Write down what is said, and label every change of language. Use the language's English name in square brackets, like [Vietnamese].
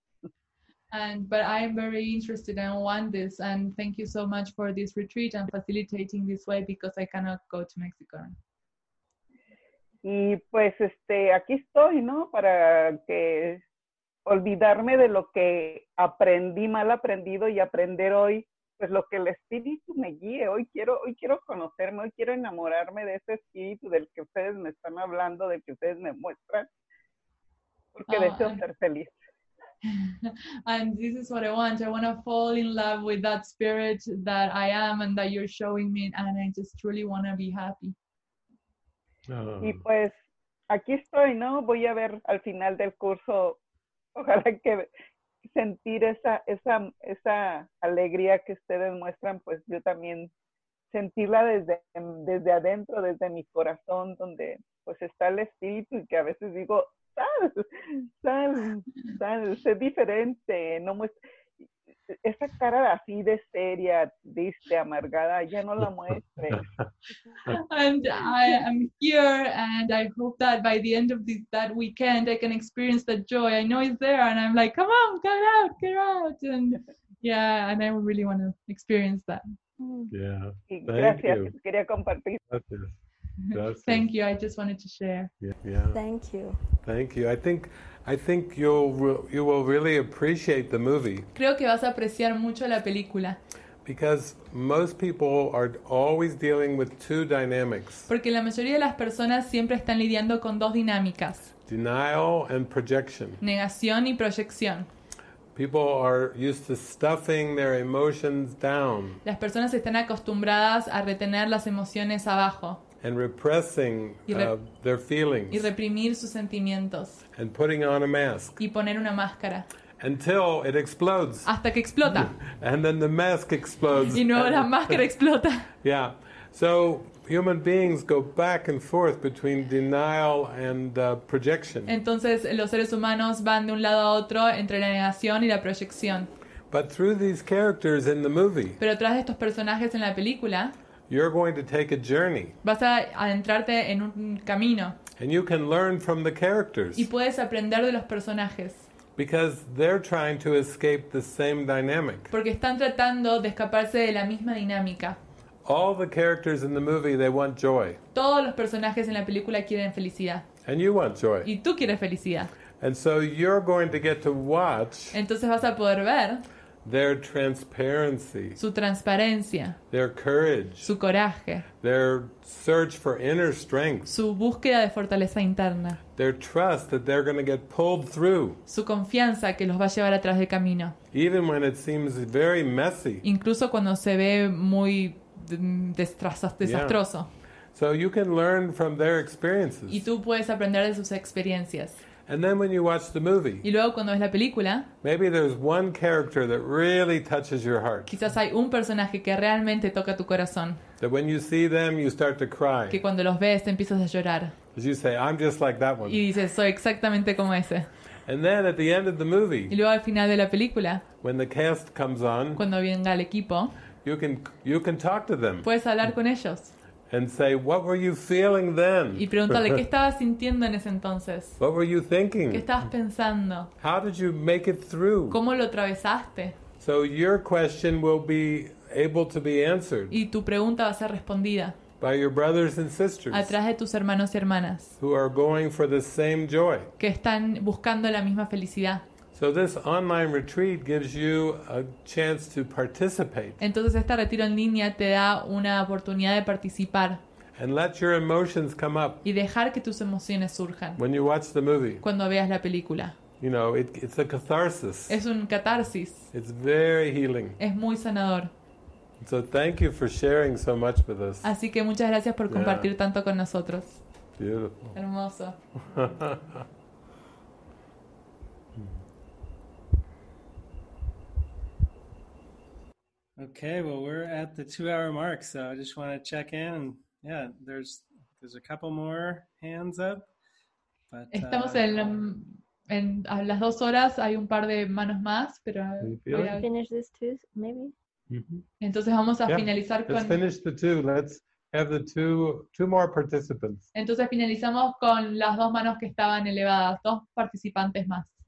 [English] But I am very interested and want this. And thank you so much for this retreat and facilitating this way because I cannot go to Mexico. [Spanish] Y pues aquí estoy, ¿no? Para que olvidarme de lo que aprendí, mal aprendido, y aprender hoy, pues lo que el espíritu me guíe. Hoy quiero conocerme, hoy quiero enamorarme de ese espíritu del que ustedes me están hablando, del que ustedes me muestran, porque deseo ser feliz. [English] And this is what I want. I want to fall in love with that spirit that I am and that you're showing me, and I just truly want to be happy. [Spanish] Y pues, aquí estoy, ¿no? Voy a ver al final del curso. Ojalá que sentir esa alegría que ustedes muestran, pues yo también sentirla desde adentro, desde mi corazón, donde pues está el espíritu, y que a veces digo, sal, sé diferente, no muestre esa cara así de seria, triste, amargada, ya no la muestre. [English] And I am here, and I hope that by the end of that weekend, I can experience that joy. I know it's there, and I'm like, come on, get out, and yeah, and I really want to experience that. Yeah, thank [Spanish] gracias. Quería compartir. Gracias. [English] Thank you. I just wanted to share. Yeah. Thank you. I think you will really appreciate the movie. [Spanish] Creo que vas a apreciar mucho la película. [English] Because most people are always dealing with two dynamics. [Spanish] Porque la mayoría de las personas siempre están lidiando con dos dinámicas. [English] Denial and projection. [Spanish] Negación y proyección. [English] People are used to stuffing their emotions down. [Spanish] Las personas están acostumbradas a retener las emociones abajo. [English] And repressing their feelings. [Spanish] Y reprimir sus sentimientos. [English] And putting on a mask. [Spanish] Y poner una máscara. [English] Until it explodes. [Spanish] Hasta que explota. [English] And then the mask explodes. [Spanish] Y luego la máscara explota. [English] Yeah. So human beings go back and forth between denial and projection. [Spanish] Entonces los seres humanos van de un lado a otro entre la negación y la proyección. [English] But through these characters in the movie. [Spanish] Pero tras estos personajes en la película. [English] You're going to take a journey. [Spanish] Vas a adentrarte en un camino. [English] And you can learn from the characters. [Spanish] Y puedes aprender de los personajes. [English] Because they're trying to escape the same dynamic. [Spanish] Porque están tratando de escaparse de la misma dinámica. [English] All the characters in the movie, they want joy. [Spanish] Todos los personajes en la película quieren felicidad. [English] And you want joy. [Spanish] Y tú quieres felicidad. [English] And so you're going to get to watch. [Spanish] Entonces vas a poder ver. [English] Their transparency, [Spanish] su transparencia, [English] their courage, [Spanish] su coraje, [English] their search for inner strength, [Spanish] su búsqueda de fortaleza interna, [English] their trust that they're going to get pulled through, [Spanish] su confianza que los va a llevar atrás del camino, [English] even when it seems very messy, [Spanish] incluso cuando se ve muy desastroso. [English] Yeah. So you can learn from their experiences. [Spanish] Y tú puedes aprender de sus experiencias. [English] And then when you watch the movie, [Spanish] y luego cuando ves la película, [English] maybe there's one character that really touches your heart. [Spanish] Quizás hay un personaje que realmente toca tu corazón. [English] That when you see them, you start to cry. [Spanish] Que cuando los ves, te empiezas a llorar. [English] As you say, I'm just like that one. [Spanish] Y dices, soy exactamente como ese. [English] And then at the end of the movie, [Spanish] y luego al final de la película, [English] when the cast comes on, [Spanish] cuando venga el equipo, [English] you can talk to them. [Spanish] Puedes hablar con ellos. [English] And say, what were you feeling then? [Spanish] Y pregúntale, ¿qué estabas sintiendo en ese entonces? [English] What were you thinking? [Spanish] ¿Qué estabas pensando? [English] How did you make it through? [Spanish] ¿Cómo lo atravesaste? [English] So your question will be able to be answered. [Spanish] Y tu pregunta va a ser respondida. [English] By your brothers and sisters. [Spanish] A través de tus hermanos y hermanas. [English] Who are going for the same joy. [Spanish] Que están buscando la misma felicidad. [English] So this online retreat gives you a chance to participate. [Spanish] Entonces este retiro en línea te da una oportunidad de participar. [English] And let your emotions come up. [Spanish] Y dejar que tus emociones surjan. [English] When you watch the movie. [Spanish] Cuando veas la película. [English] You know, it's a catharsis. [Spanish] Es un catarsis. [English] It's very healing. [Spanish] Es muy sanador. [English] So thank you for sharing so much with us. [Spanish] Así que muchas gracias por compartir yeah. tanto con nosotros. [English] Beautiful. [Spanish] Hermoso. [English] Okay, well, we're at the two-hour mark, so I just want to check in. Yeah, there's a couple more hands up. But, [Spanish] estamos en las dos horas, hay un par de manos más, pero... [English] Can we finish this too, maybe? [Spanish] Mm-hmm. Entonces vamos a finalizar [English] let's [Spanish] con... [English] Let's finish the two. Let's have the two more participants. [Spanish] Entonces finalizamos con las dos manos que estaban elevadas, dos participantes más.